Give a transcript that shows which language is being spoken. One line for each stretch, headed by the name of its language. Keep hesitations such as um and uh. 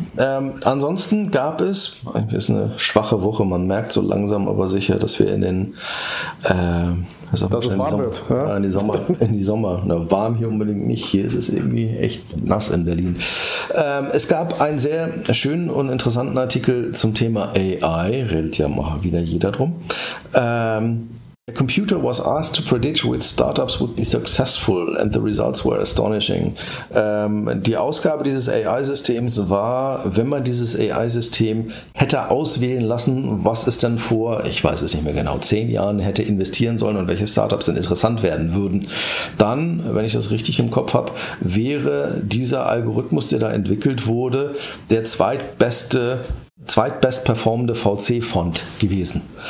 German: Ähm, ansonsten gab es, eigentlich ist eine schwache Woche, man merkt so langsam aber sicher, dass wir in den äh, dass es warm Sommer, wird. Ja? In die Sommer, in die Sommer. Na, warm hier unbedingt nicht. Hier ist es irgendwie echt nass in Berlin. Ähm, es gab einen sehr schönen und interessanten Artikel zum Thema AI, redet ja mal wieder jeder drum.
English: Ähm, The computer was asked to predict which startups would be successful and the results were astonishing.
German: Ähm, die Ausgabe dieses AI-Systems war, wenn man dieses AI-System hätte auswählen lassen, was es dann vor, ich weiß es nicht mehr genau, zehn Jahren hätte investieren sollen und welche Startups denn interessant werden würden, dann, wenn ich das richtig im Kopf habe, wäre dieser Algorithmus, der da entwickelt wurde, der zweitbeste zweitbest performende VC-Font gewesen.